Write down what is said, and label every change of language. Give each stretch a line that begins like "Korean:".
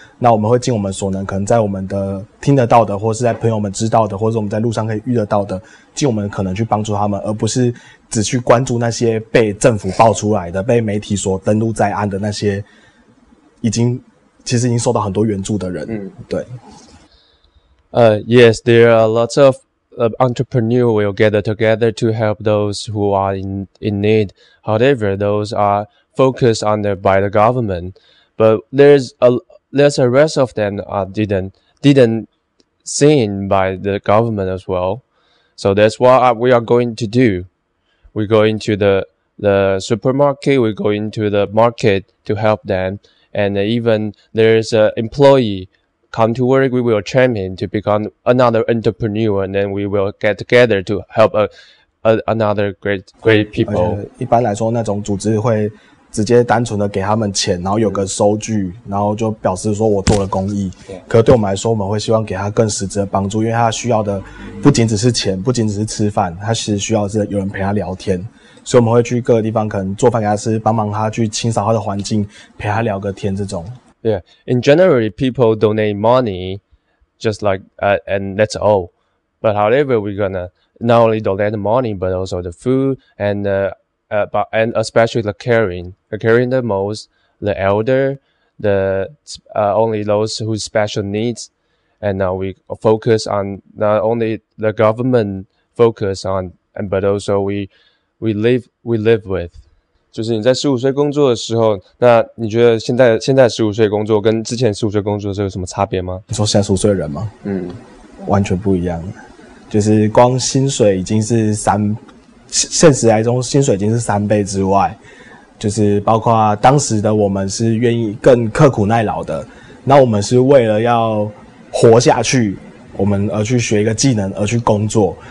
Chinese: 那我们会尽我们所能，可能在我们的听得到的，或是在朋友们知道的，或是我们在路上可以遇得到的，尽我们可能去帮助他们，而不是只去关注那些被政府爆出来的、被媒体所登陆在案的那些已经。其实已经受到很多援助的人，对。
English: Yes, there are lots of entrepreneurs will gather together to help those who are in need. However, those are focused on by the government. But there's a rest of them didn't seen by the government as well. So that's what we are going to do. We go into the supermarket. We go into the market to help them. And even there's an employee come to work, we will train him to become another entrepreneur, and then we will get together to help another great people.
Chinese: 一般来说，那种组织会直接单纯的给他们钱，然后有个收据，然后就表示说我做了公益。可对我们来说，我们会希望给他更实质的帮助，因为他需要的不仅只是钱，不仅只是吃饭，他其实需要的是有人陪他聊天。所以我们会去各个地方，可能做饭给他吃，帮忙他去清扫他的环境，陪他聊个天这种。
English: Yeah, in general, people donate money, just like and that's all. But however, we're gonna not only donate the money, but also the food and and especially the caring the most, the elder, the only those who special needs. And now we focus on not only the government focus on, and but also we live with.
Chinese: 就是你在15岁工作的时候，那你觉得现在15岁工作跟之前15岁工作是有什么差别吗？你说现在15岁的人吗？嗯，完全不一样。就是光薪水已经是三倍之外，就是包括当时的我们是愿意更刻苦耐劳的，那我们是为了要活下去，我们而去学一个技能而去工作。